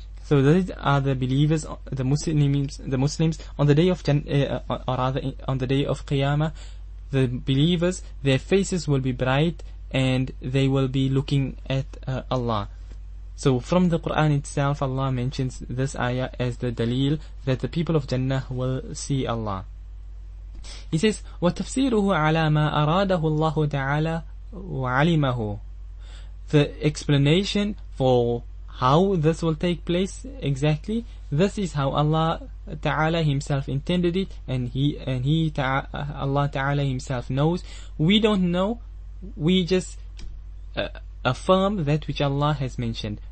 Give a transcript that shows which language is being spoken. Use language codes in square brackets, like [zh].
[en] So these are the believers, the Muslims, on the day of on the day of Qiyamah, the believers, their faces will be bright and they will be looking at Allah. So from the Quran itself, Allah mentions this ayah as the dalil that the people of Jannah will see Allah. He says, [ar] وَتَفْسِيرُهُ عَلَى مَا أَرَادَهُ اللَّهُ تَعَالَى وَعَلِمَهُ. [en] The explanation for how this will take place exactly, this is how Allah Ta'ala Himself intended it, Allah Ta'ala Himself knows. We don't know, we just affirm that which Allah has mentioned.